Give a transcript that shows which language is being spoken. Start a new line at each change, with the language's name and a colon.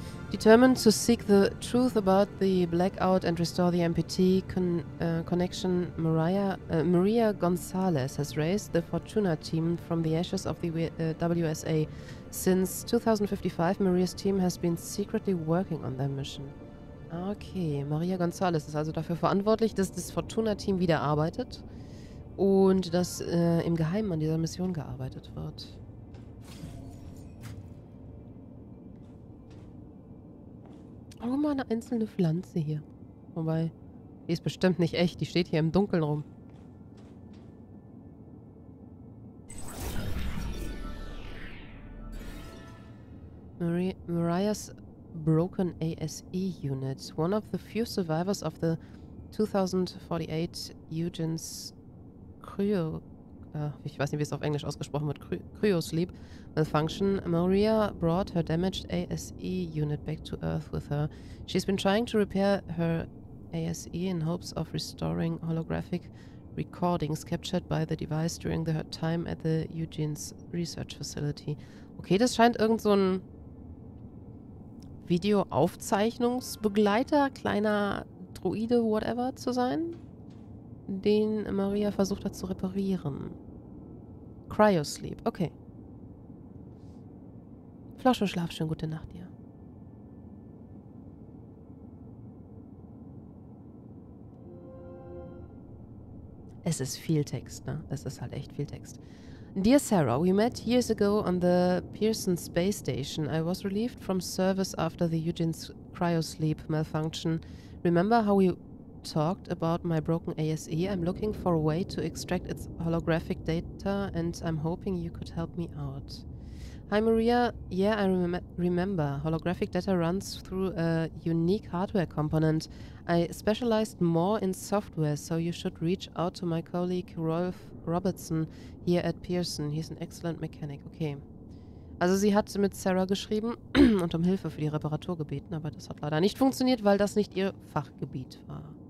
English: Determined to seek the truth about the blackout and restore the MPT connection, Maria Gonzalez has raised the Fortuna team from the ashes of the WSA. Since 2055, Maria's team has been secretly working on their mission.
German: Okay, Maria Gonzalez ist also dafür verantwortlich, dass das Fortuna-Team wieder arbeitet und dass im Geheimen an dieser Mission gearbeitet wird. Guck mal, eine einzelne Pflanze hier. Wobei, die ist bestimmt nicht echt. Die steht hier im Dunkeln rum.
English: Mariah's Broken ASE Unit. One of the few survivors of the 2048 Eugen's Cryo...
German: ich weiß nicht, wie es auf Englisch ausgesprochen wird.
English: Cryosleep. Malfunction. Maria brought her damaged ASE unit back to Earth with her. She's been trying to repair her ASE in hopes of restoring holographic recordings captured by the device during her time at the Eugene's Research Facility.
German: Okay, das scheint irgend so ein Videoaufzeichnungsbegleiter, kleiner Droide, whatever, zu sein, den Maria versucht hat zu reparieren. Cryosleep, okay. Flosche, schlaf schön, gute Nacht dir. Es ist viel Text, ne? Es ist halt echt viel Text.
English: Dear Sarah, we met years ago on the Pearson Space Station. I was relieved from service after the Eugene's cryosleep malfunction. Remember how we talked about my broken ASE? I'm looking for a way to extract its holographic data and I'm hoping you could help me out. Hi Maria, yeah I remember, holographic data runs through a unique hardware component. I specialized more in software, so you should reach out to my colleague Rolf Robertson here at Pearson. He's an excellent mechanic. Okay.
German: Also sie hat mit Sarah geschrieben und um Hilfe für die Reparatur gebeten, aber das hat leider nicht funktioniert, weil das nicht ihr Fachgebiet war.